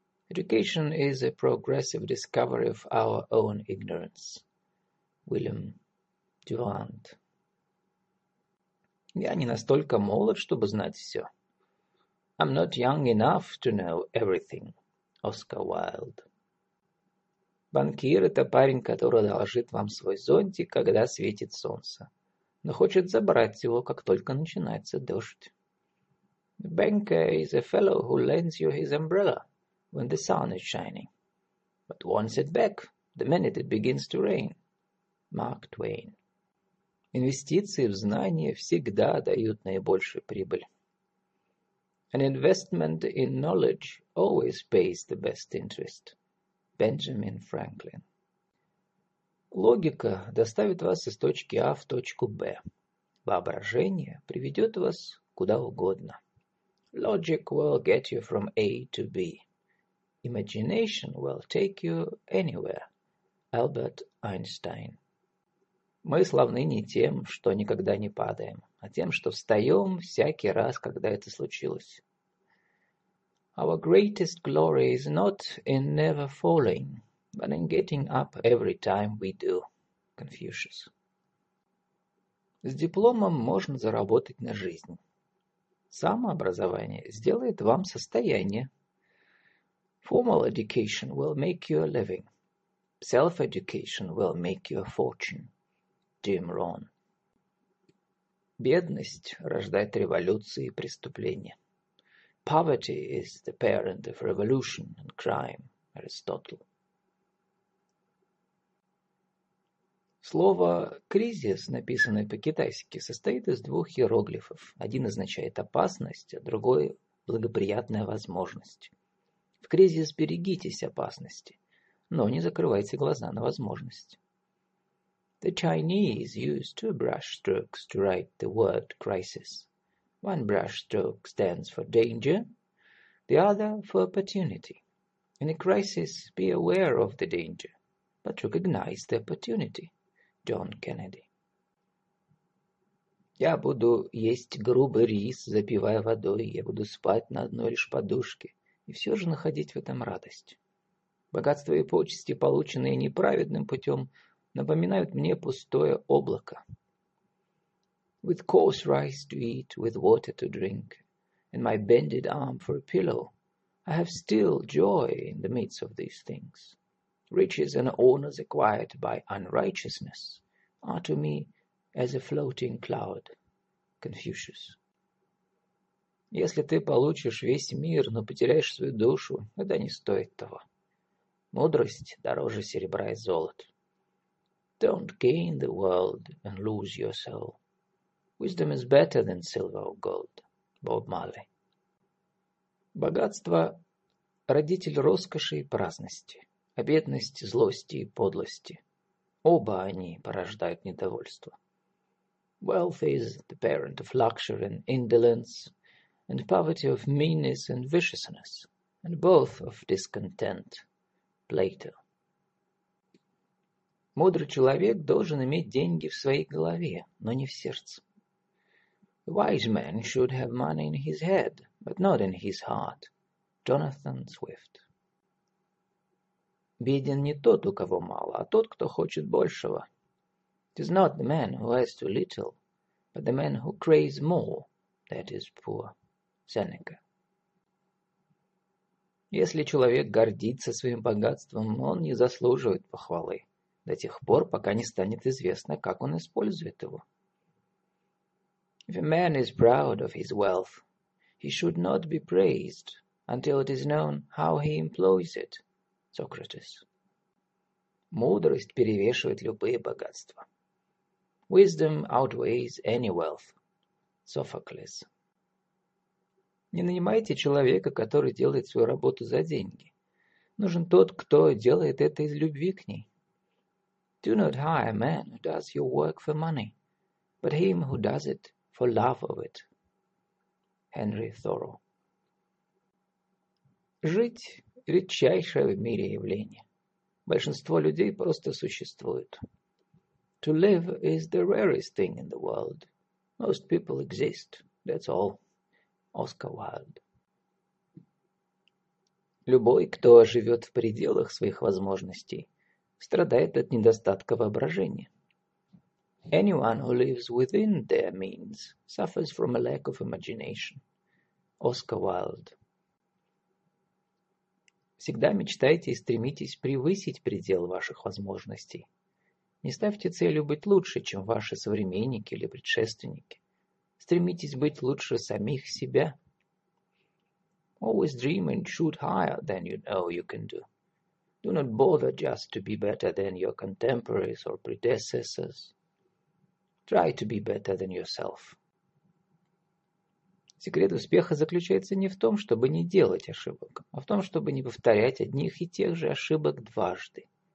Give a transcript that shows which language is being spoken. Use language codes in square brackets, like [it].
[en] Education is a progressive discovery of our own ignorance. William Durant. [ru] Я не настолько молод, чтобы знать все. [en] I'm not young enough to know everything. Oscar Wilde. [ru] Банкир – это парень, который одолжит вам свой зонтик, когда светит солнце, но хочет забрать его, как только начинается дождь. [en] The banker is a fellow who lends you his umbrella when the sun is shining, but wants it back the minute it begins to rain. Mark Twain. [ru] Инвестиции в знания всегда дают наибольшую прибыль. [en] An investment in knowledge always pays the best interest. Benjamin Franklin. [ru] Логика доставит вас из точки А в точку Б. Воображение приведет вас куда угодно. [en] Logic will get you from A to B. Imagination will take you anywhere. Albert Einstein. [ru] Мы славны не тем, что никогда не падаем, а тем, что встаем всякий раз, когда это случилось. [en] Our greatest glory is not in never falling, but in getting up every time we do. Confucius. [ru] С дипломом можно заработать на жизнь. Самообразование сделает вам состояние. [en] Formal education will make you a living. Self-education will make you a fortune. [ru] Джим Рон. Бедность рождает революции и преступления. [en] Poverty is the parent of revolution and crime. [ru] Аристотель. Слово «кризис», написанное по-китайски, состоит из двух иероглифов. Один означает «опасность», а другой – «благоприятная возможность». В кризис берегитесь опасности, но не закрывайте глаза на возможность. [en] The Chinese use two brush strokes to write the word crisis. One brush stroke stands for danger, the other for opportunity. In a crisis, be aware of the danger, but recognize the opportunity. John Kennedy. [ru] Я буду есть грубый рис, запивая водой, я буду спать на одной лишь подушке. И все же находить в этом радость. Богатство и почести, полученные неправедным путем, напоминают мне пустое облако. [en] With coarse rice to eat, with water to drink, and my bended arm for a pillow, I have still joy in the midst of these things. Riches and honors acquired by unrighteousness are to me as a floating cloud. Confucius. [ru] Если ты получишь весь мир, но потеряешь свою душу, это не стоит того. Мудрость дороже серебра и золота. [en] Don't gain the world and lose your soul. Wisdom is better than silver or gold. Bob Marley. [ru] Богатство – родитель роскоши и праздности, а бедность – злости и подлости. Оба они порождают недовольство. [en] Wealth is the parent of luxury and indolence, and poverty of meanness and viciousness, and both of discontent. Plato. [ru] Мудрый человек должен иметь деньги в своей голове, но не в сердце. [en] A wise man should have money in his head, but not in his heart. Jonathan Swift. [ru] Беден не тот, у кого мало, а тот, кто хочет большего. [en] It is not the man who has too little, but the man who craves more, that is poor. Seneca. [ru] Если человек гордится своим богатством, он не заслуживает похвалы до тех пор, пока не станет известно, как он использует его. [en] If a man is proud of his wealth, he should not be praised until it is known how he employs it. Socrates. [ru] Мудрость перевешивает любые богатства. [en] Wisdom outweighs any wealth. Sophocles. [ru] Не нанимайте человека, который делает свою работу за деньги. Нужен тот, кто делает это из любви к ней. [en] Do not hire a man who does your work for money, but him who does it for love of it. Henry Thoreau. [ru] Жить – редчайшее в мире явление. Большинство людей просто существуют. [en] To live is the rarest thing in the world. Most people exist, that's all. Oscar Wilde. [ru] Любой, кто живет в пределах своих возможностей, страдает от недостатка воображения. [en] Anyone who lives within their means suffers from a lack of imagination. Oscar Wilde. [ru] Всегда мечтайте и стремитесь превысить предел ваших возможностей. Не ставьте целью быть лучше, чем ваши современники или предшественники. Стремитесь быть лучше самих себя. [en] Always dream and shoot higher than you know you can do. Do not bother just to be better than your contemporaries or predecessors. Try to be better than yourself. [ru] Секрет успеха заключается не в том, чтобы не делать ошибок, а в том, чтобы не повторять одних и тех же ошибок дважды.